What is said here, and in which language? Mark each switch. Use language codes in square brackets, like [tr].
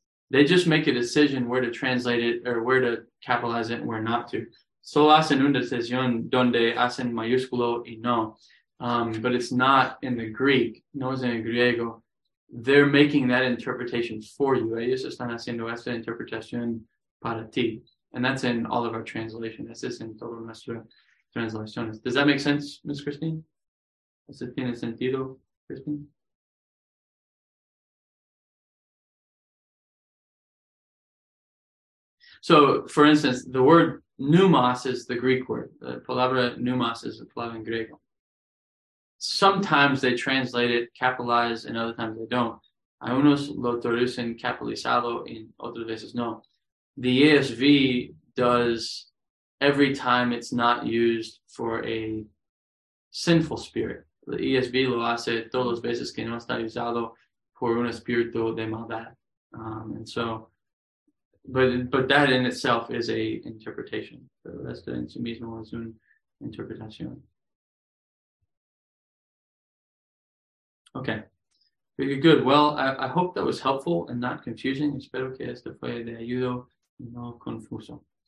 [en] They just make a decision where to translate it or where to capitalize it and where not to. [es] Solo hacen una decisión donde hacen mayúsculo y no. [en] But it's not in the Greek, [es] no es en el griego. [en] They're making that interpretation for you. [es] Ellos están haciendo esta interpretación para ti. [en] And that's in all of our translation. [es] Eso es en todas nuestras translaciones. [en] Does that make sense, Ms. Christine? [es] ¿Eso tiene sentido, Christine? [en] So, for instance, the word pneumos is the Greek word. The [es] palabra [en] pneumos is the [es] palabra en griego. [en] Sometimes they translate it capitalized and other times they don't. [es] A unos lo traducen capitalizado y otras veces no. [en] The ESV does every time it's not used for a sinful spirit. [es] The ESV lo hace todas las veces que no está usado por un espíritu de maldad. [en] And so, but that in itself is a interpretation. [es] Esto en sí mismo es una interpretación. [en] Okay, very good. Well, I hope that was helpful and not confusing. [es] Espero que esto fue de ayuda y no confuso.